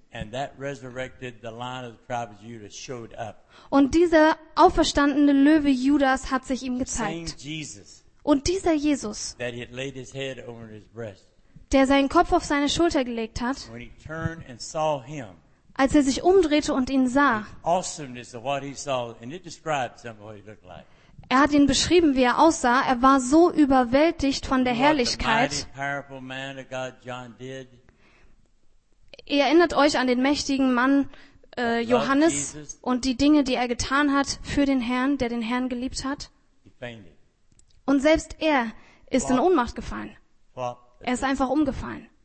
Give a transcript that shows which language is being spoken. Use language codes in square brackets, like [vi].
[en] And that resurrected, the lion of the tribe of Judah showed up. [de] Und dieser auferstandene Löwe Judas hat sich ihm gezeigt. [en] Same Jesus. [de] Und dieser Jesus, [en] that he had laid his head over his breast, [de] der seinen Kopf auf seine Schulter gelegt hat, [en] when he turned and saw him, [de] als er sich umdrehte und ihn sah, [en] the awesomeness of what he saw, and it described some of what he looked like. [de] Er hat ihn beschrieben, wie er aussah. Er war so überwältigt von der Herrlichkeit. [en] What the mighty, powerful man of God John did. [de] Ihr erinnert euch an den mächtigen Mann Johannes und die Dinge, die er getan hat für den Herrn, der den Herrn geliebt hat. Und selbst er ist in Ohnmacht gefallen. Er ist einfach umgefallen.